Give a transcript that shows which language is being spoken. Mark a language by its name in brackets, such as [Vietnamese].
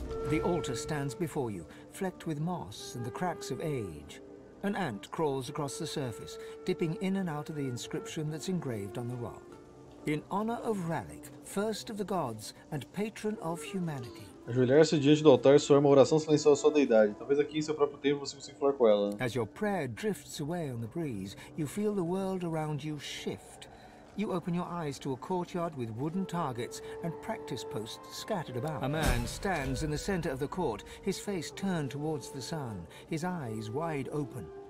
[English] The altar stands before you, flecked with moss and the cracks of age. An ant crawls across the surface, dipping in and out of the inscription that's engraved on the rock. In honor of Relic, first of the gods and patron of humanity. [Portuguese] Ajoelhar-se diante do altar soa uma oração silenciosa à sua deidade. Talvez aqui em seu próprio tempo você consiga falar com ela. [English] As your prayer drifts away on the breeze, you feel the world around you shift. You open your eyes to a courtyard with wooden targets and practice posts scattered about. A man stands in the center of the court, his face turned towards the sun, his eyes wide open.